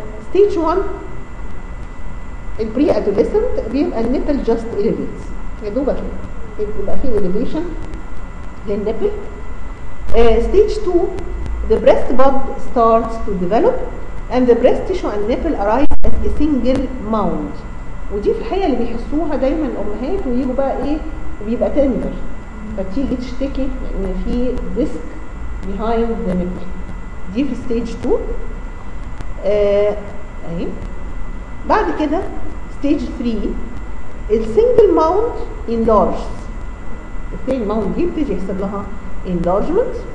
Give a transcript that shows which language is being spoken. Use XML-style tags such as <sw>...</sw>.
<ar>ستيج 1 البري ادوليسنت بيبقى النيبل</ar> <en>just elevates</en> <ar>يا دوبك بيبقى في اليفيشن للنبل.</ar> <en>Stage 2 the breast bud starts to develop and the breast tissue and nipple arise as a single mound.</en> <ar>ودي في الحقيقة اللي بيحسوها دايما الأمهات ويجوا بقى ايه بيبقى تندر. تيجي تشتكي ان في</ar> <en>risk behind the mammary</en> <ar>دي في ستيج 2. بعد كده ستيج 3</ar> <en>السنجل mount enlarges,</en> <ar>السنجل ماونت دي بتيجي يحصل لها انلارجمنت.</ar>